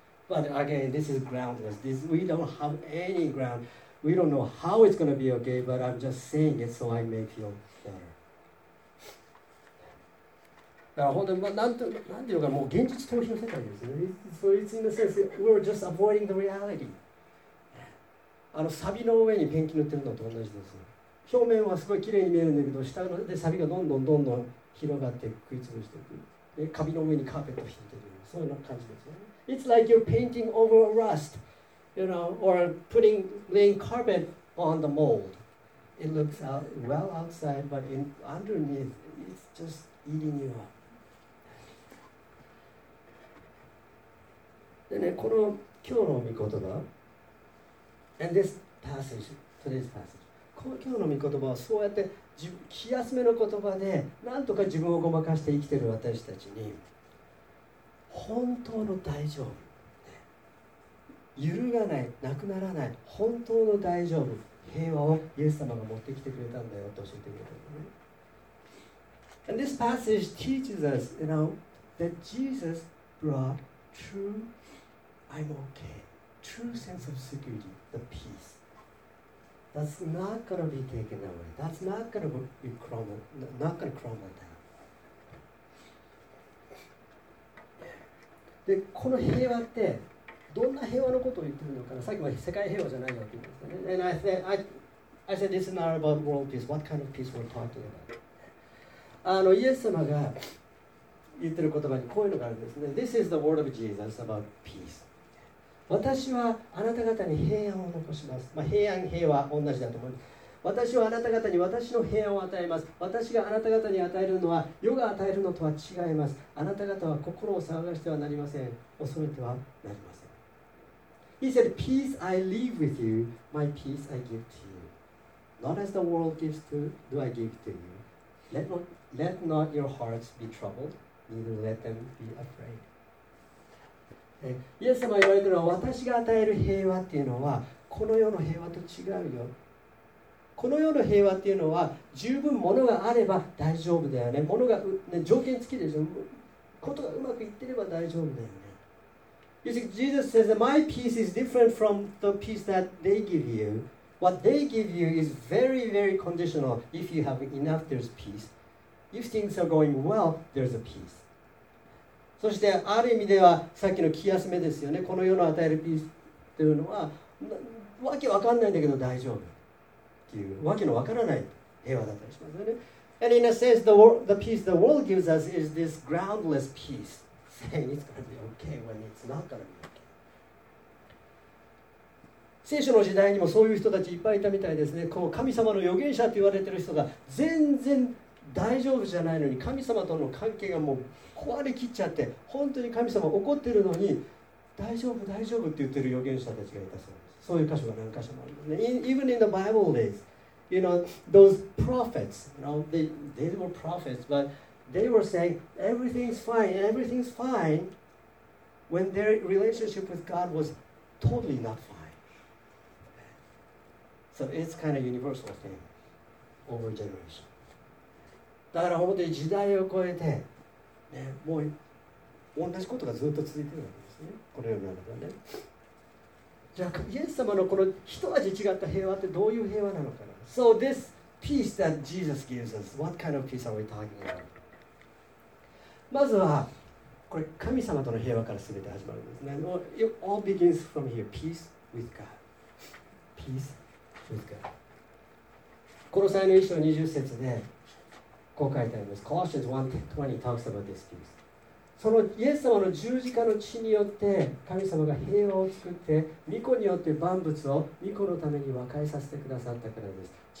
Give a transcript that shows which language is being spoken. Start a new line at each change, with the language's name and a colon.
English: But again, this is groundless. This, we don't have any ground. We don't know how it's gonna be okay, but I'm just saying it so I may feel better.
Japanese: だから本当に、まあ、なんていうか、もう現実逃避の世界ですね。
English: So it's in a sense, we're just avoiding the reality.
Japanese: あのサビの上にペンキ塗ってるのと同じです。表面はすごい綺麗に見えるんだけど、下でサビがどんどんどんどん広がって食い潰していく。で、カビの上にカーペットを敷いてる。そういう感じですね。
English: It's like you're painting over a rust, you know, or putting laying carpet on the mold. It looks out, well outside, but in, underneath, it's just eating you up.
Japanese: でね、この今日の御言葉。
English: And this passage, today's passage.
Japanese: 今日の御言葉はそうやって気休めの言葉でなんとか自分をごまかして生きている私たちに本当の大丈夫、ね、揺るがない、なくならない本当の大丈夫、平和をイエス様が持ってきてくれたんだよと教えてくれたんだね。
English: And this passage teaches us, you know, that Jesus brought true I'm okay, true sense of security. The peace. That's not gonna be taken away. That's not gonna be crumbled. Not gonna crumble down.
Japanese: で、この平和ってどんな平和のことを言ってるのかな。さっきは世界平和じゃないわけですよね。
English: And I said this is not about world peace. What kind of peace we're talking about?
Japanese: あのイエス様が言ってる言葉にこういうのがあるんですね。
English: This is the word of Jesus about peace.
Japanese: 私はあなた方に平安を残します、まあ、平安平和同じだと思います。私はあなた方に私の平安を与えます。私があなた方に与えるのは世が与えるのとは違います。あなた方は心を騒がしてはなりません、恐れてはなりません。
English: He said, Peace I leave with you, my peace I give to you. Not as the world gives to, do I give to you. Let not your hearts be troubled, neither let them be afraid.
Japanese: イエス様が言われているのは、私が与える平和っていうのはこの世の平和と違うよ。この世の平和っていうのは十分物があれば大丈夫だよね。物が、ね、条件付きでしょ。ことがうまくいってれば大丈夫だよね。
English: You see, Jesus says that my peace is different from the peace that they give you. What they give you is very, very conditional. If you have enough, there's peace. If things are going well, there's a peace.
Japanese: そしてある意味ではさっきの気休めですよね。この世の与えるピースというのはわけわかんないんだけど大丈夫というわけのわからない平和だったりしますよね。
English: And in a sense the peace the world gives us is this groundless peace saying it's going to be okay when it's not going to be okay.
Japanese: 聖書の時代にもそういう人たちいっぱいいたみたいですね。こう神様の預言者と言われてる人が全然大丈夫じゃないのに神様との関係がもう壊れきっちゃって本当に神様怒ってるのに大丈夫大丈夫って言ってる預言者たちがいたそうです。そういう箇所が何箇所もあるんですね。
English: Even in the Bible days, you know, those prophets, you know, they were prophets, but they were saying everything's fine when their relationship with God was totally not fine. So it's kind of universal thing over generations.
Japanese: だから本当に時代を超えて、ね、もう同じことがずっと続いてるわけですね。このようなのがね。じゃあイエス様のこの一味違った平和ってどういう平和なのかな。
English: So this peace that Jesus gives us, what kind of peace are we talking about?
Japanese: まずはこれ神様との平和から全て始まるんですね。
English: It all begins from here, peace with God. Peace with God.
Japanese: コロサイの一章20節でこう書いてあります。
English: Colossians 1:20 talks about this peace.
Japanese: そのイエス様の十字架の血によって神様が平和を作って御子によって万物を御子のために和解させてくださったからです。